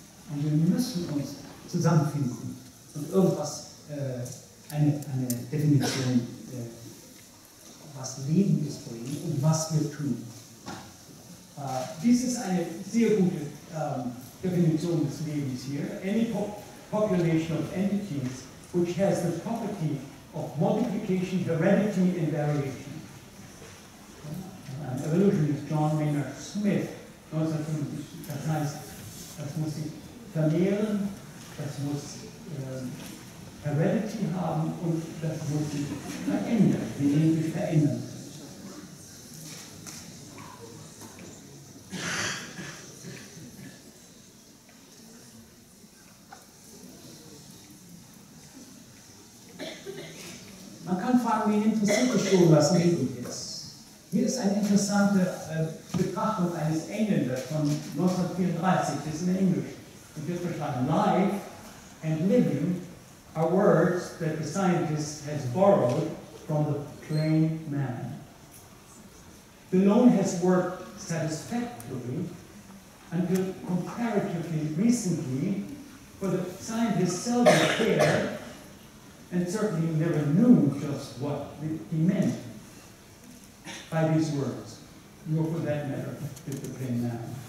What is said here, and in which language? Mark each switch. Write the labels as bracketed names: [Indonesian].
[German] Und wir müssen uns zusammenfinden und irgendwas, eine Definition, was Leben ist für ihn und was wir tun. Dies ist eine sehr gute Definition des Lebens hier. [English] Any population of entities which has the property of multiplication, heredity and variation. [German] Evolutionist John Maynard Smith, 1950, das heißt, das muss ich vermehren, das muss Heredity haben und das muss sich verändern, genetisch verändern. Man kann fragen, wie interessiert es schon, was Leben ist. Hier ist eine interessante Betrachtung eines Engländers von 1934, das ist in Englisch. Just beschreiben. [English] Life and living are words that the scientist has borrowed from the plain man. Bologna has worked satisfactorily until comparatively recently, for the scientist seldom cared and certainly never knew just what he meant by these words, nor for that matter did the plain man.